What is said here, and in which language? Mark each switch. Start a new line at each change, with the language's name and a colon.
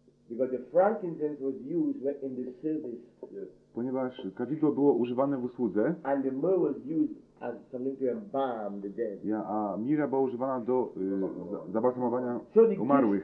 English: Because the frankincense was used in the service.
Polish: Ponieważ kadzidło było używane w usłudze.
English: And the myrrh was used as something to embalm the dead.
Polish: Ja, a mirra była używana do zabalsamowania umarłych.